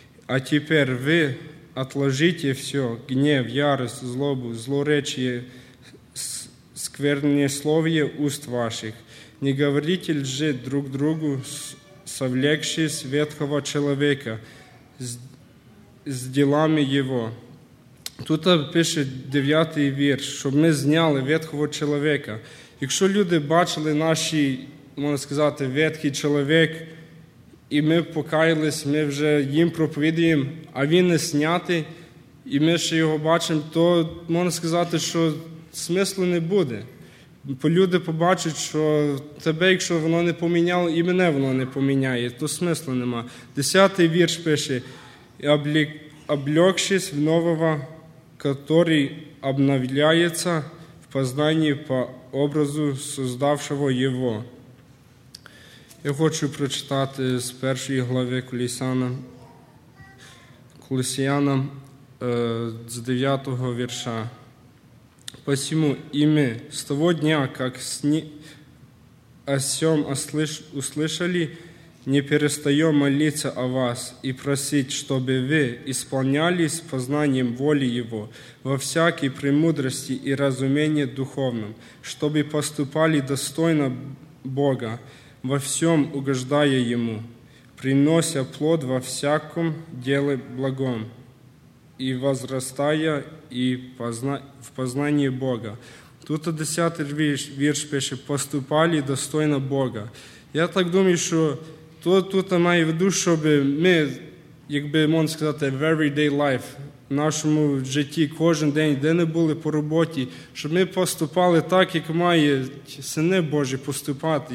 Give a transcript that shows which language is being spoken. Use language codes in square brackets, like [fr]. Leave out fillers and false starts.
[ru] А теперь вы отложите все, гнев, ярость, злобу, злоречие, сквернословие уст ваших. Не говорите лжи друг другу, совлекшись ветхого человека с делами его. [uk] Тут пишет 9-й вірш, щоб ми зняли ветхого чоловіка. Якщо люди бачили наш, можна сказати, ветхий чоловік, і ми покаялись, ми вже їм проповідуємо, а він не знятий, і ми ще його бачимо, то можна сказати, що смислу не буде. Бо люди побачать, що тебе, якщо воно не поміняло, і мене воно не поміняє, то смислу нема. 10-й вірш пише, [ru] облегшись в нового, который обновляется в познании по образу создавшего его. Я хочу прочитать из первой главы Колоссянам с 9 верша. «Посему и мы с того дня, как о сём услышали, не перестаем молиться о вас и просить, чтобы вы исполнялись познанием воли Его во всякой премудрости и разумении духовном, чтобы поступали достойно Бога, во всем угождая Ему, принося плод во всяком деле благом и возрастая и в познании Бога». [uk] Тут 10-й вірш пише [ru] «поступали достойно Бога». [uk] Я так думаю, що тут має в виду, щоб ми, якби можна сказати, в [en] everyday life, [uk] в нашому житті, кожен день, де не були по роботі, щоб ми поступали так, як має Сини Божі поступати.